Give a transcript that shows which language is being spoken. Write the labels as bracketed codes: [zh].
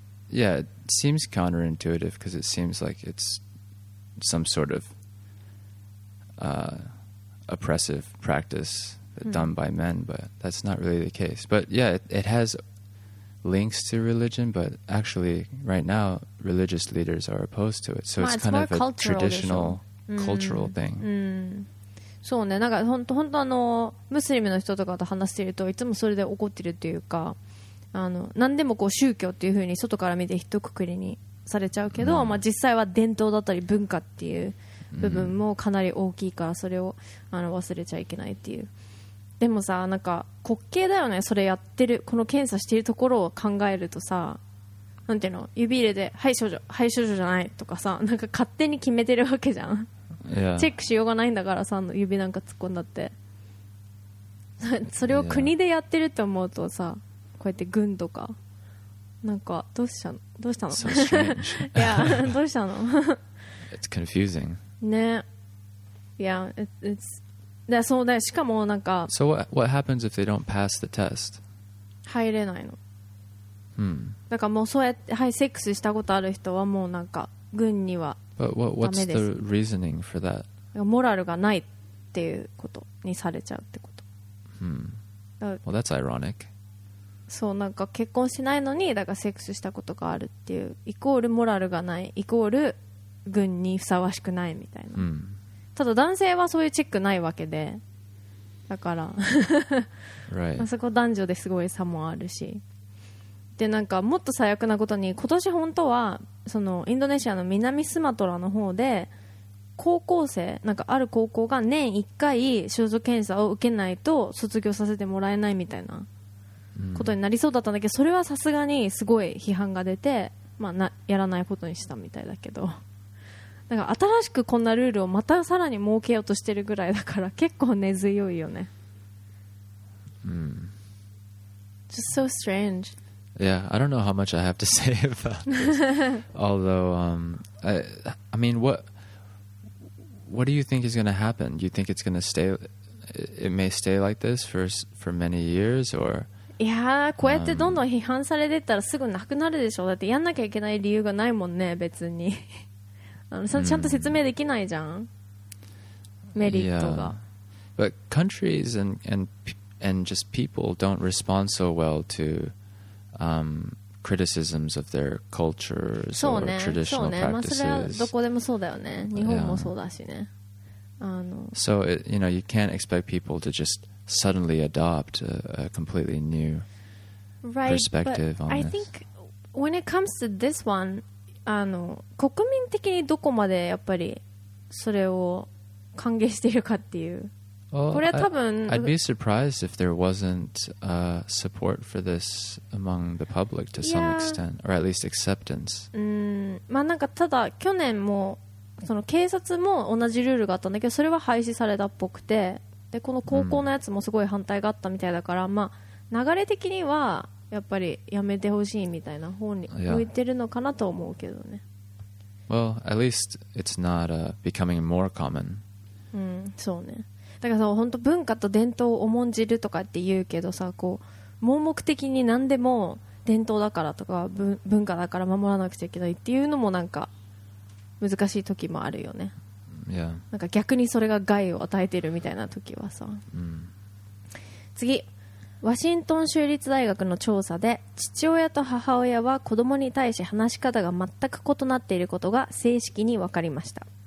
[en] Yeah, it seems counterintuitive because it seems like it's some sort of oppressive practice、hmm. done by men, but that's not really the case. But yeah, it has links to religion, but actually right now religious leaders are opposed to it. So it's kind of a traditional... Cultural thing. [ja] うん、そうね、なんか本当あのムスリムの人とかと話しているといつもそれで怒ってるっていうか、あの何でもこう宗教っていう風に外から見て一括りにされちゃうけど、まあ、実際は伝統だったり文化っていう部分もかなり大きいから、それをあの忘れちゃいけないっていう。でもさ、なんか滑稽だよね、それやってるこの検査しているところを考えるとさ、なんていうの、指入れてはい少女、はい少女じゃないとかさ、なんか勝手に決めてるわけじゃん、 [en] yeah. [ja] チェックしようがないんだからさ、指なんか突っ込んだってそれを国でやってるって思うとさ、こうやって軍とかなんかどうしたの、 [en] so、strange. [ja] いやどうしたの [en] It's confusing [ja] ね。いや、 [en] yeah, it's [ja] でそうだ、しかもなんか [en] So what happens if they don't pass the test? [ja] 入れないの。 Hmm. だからもうそうやって、はい、セックスしたことある人はもうなんか軍にはダメです。 [en] What's the reasoning for that? [ja] モラルがないっていうことにされちゃうってこと。 [en] Well, that's ironic. [ja] そう、なんか結婚しないのにだからセックスしたことがあるっていうイコールモラルがない、イコール軍にふさわしくないみたいな、 hmm. ただ男性はそういうチェックないわけで、だから [en] 、right. [ja] あそこ男女ですごい差もあるし。でなんかもっと最悪なことに、今年本当はそのインドネシアの南スマトラの方で高校生、なんかある高校が年1回手術検査を受けないと卒業させてもらえないみたいなことになりそうだったんだけど、それはさすがにすごい批判が出て、まあ、やらないことにしたみたいだけど、なんか新しくこんなルールをまたさらに設けようとしてるぐらいだから結構根強いよね。うん、 [en] Just so strange Yeah, I don't know how much I have to say about this. Although, I mean, what do you think is going to happen? Do you think it's going to stay it may stay like this for many years or... [ja] いやこうやってどんどん批判されてったらすぐなくなるでしょ。だってやんなきゃいけない理由がないもんね別に。ちゃんと説明できないじゃん、メリットが。 [en] yeah. But countries and just people don't respond so well to、criticisms of their cultures or、 [ja] ね、 [en] traditional practices、 [ja] ね、まあそれはどこでもそうだよね、日本もそうだしね、 [en] yeah. So it, you know, you can't expect people to justsuddenly adopt a completely new right, perspective but on I this. Think when it comes to this one, [ja] 国民的にどこまでやっぱりそれを歓迎しているかっていう。 [en] Well, [ja] これは多分 [en] I'd be surprised if there wasn't support for this among the public to some extent, or at least acceptance. [ja] まあなんかただ去年もその警察も同じルールがあったんだけど、それは廃止されたっぽくて、でこの高校のやつもすごい反対があったみたいだから、まあ、流れ的にはやっぱりやめてほしいみたいな方に向いてるのかなと思うけどね。 [en] Well, at least it's not becoming more common. [ja] うん、そうね。だからさ、本当文化と伝統を重んじるとかって言うけどさ、こう盲目的に何でも伝統だからとか文化だから守らなくちゃいけないっていうのもなんか難しい時もあるよね。 [en] Yeah. [ja] なんか逆にそれが害を与えてるみたいな時はさ、次、ワシントン州立大学の調査で、父親と母親は子供に対し話し方が全く異なっていることが正式に分かりました。